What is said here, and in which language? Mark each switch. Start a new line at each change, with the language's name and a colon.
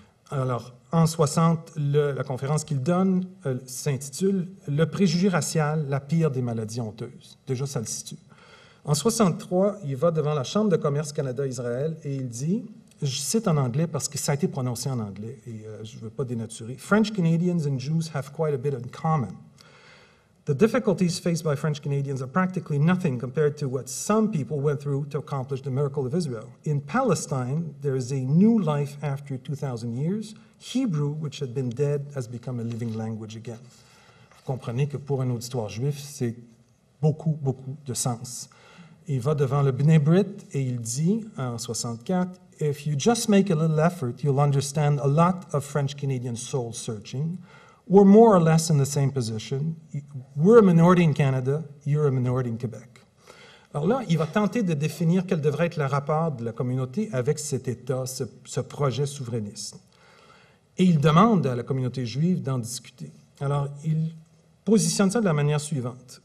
French: Alors, en 60, la conférence qu'il donne s'intitule « Le préjugé racial, la pire des maladies honteuses ». Déjà, ça le situe. En 63, il va devant la Chambre de commerce Canada-Israël et il dit, je cite en anglais parce que ça a été prononcé en anglais et je ne veux pas dénaturer, «
English: French Canadians and Jews have quite a bit in common. The difficulties faced by French Canadians are practically nothing compared to what some people went through to accomplish the miracle of Israel. In Palestine, there is a new life after 2,000 years. Hebrew, which had been dead, has become a living language again.
French: » Vous comprenez que pour un auditoire juif, c'est beaucoup, beaucoup de sens. Il va devant le B'nai B'rit et il dit, en 64,
English: « If you just make a little effort, you'll understand a lot of French Canadian soul searching. We're more or less in the same position. We're a minority in Canada, you're a minority in Québec.
French: » Alors là, il va tenter de définir quel devrait être le rapport de la communauté avec cet État, ce projet souverainiste. Et il demande à la communauté juive d'en discuter. Alors, il positionne ça de la manière suivante.